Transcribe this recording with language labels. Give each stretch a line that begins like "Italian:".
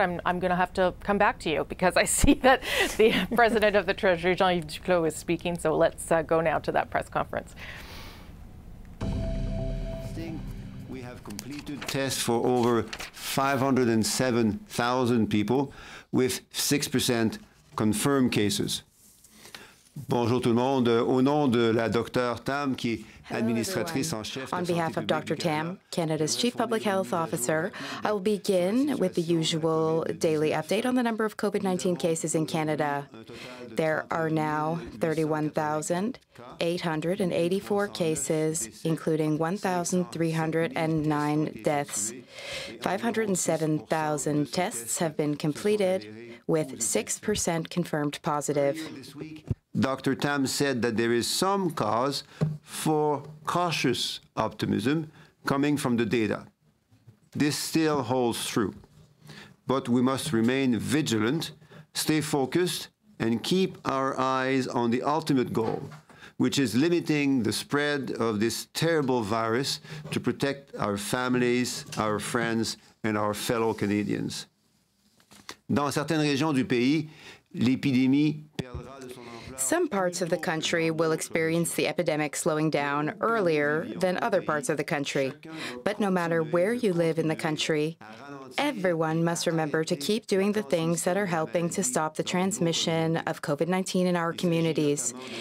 English: I'm going to have to come back to you because I see that the President of the Treasury, Jean-Yves Duclos, is speaking. So let's go now to that press conference. We have completed tests for over 507,000 people with 6% confirmed cases.
French: Bonjour tout le monde. Au nom de la docteure Tam, qui est administratrice en chef.
English: On behalf of Dr. Tam, Canada's chief public health officer, I will begin with the usual daily update on the number of COVID-19 cases in Canada. There are now 31,884 cases, including 1,309 deaths. 507,000 tests have been completed, with 6% confirmed positive. Dr. Tam said that there is some cause for cautious optimism coming from the data. This still holds true. But we must remain vigilant, stay focused, and keep our eyes on the ultimate goal, which is limiting the spread of this terrible virus to protect our families, our friends, and our fellow Canadians.
French: Dans certaines régions du pays, l'épidémie perdra de son ampleur.
English: Some parts of the country will experience the epidemic slowing down earlier than other parts of the country. But no matter where you live in the country, Everyone must remember to keep doing the things that are helping to stop the transmission of COVID-19 in our communities.